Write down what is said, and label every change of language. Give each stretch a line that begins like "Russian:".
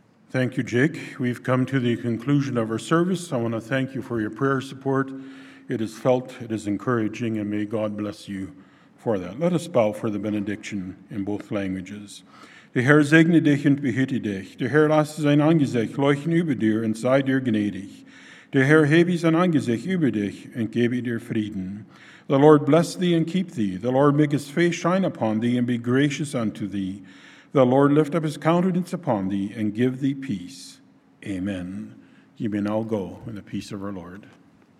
English: Thank you, Jake. We've come to the conclusion of our service. I want to thank you for your prayer support. It is felt, it is encouraging, and may God bless you. For that, let us bow for the benediction in both languages.
German: Der Herr segne dich und behüte dich. Der Herr lasse sein Angesicht leuchten über dir und sei dir gnädig. Der Herr hebe sein Angesicht über dich und gebe dir Frieden.
English: The Lord bless thee and keep thee. The Lord make his face shine upon thee and be gracious unto thee. The Lord lift up his countenance upon thee and give thee peace. Amen. Ye may now go in the peace of our Lord.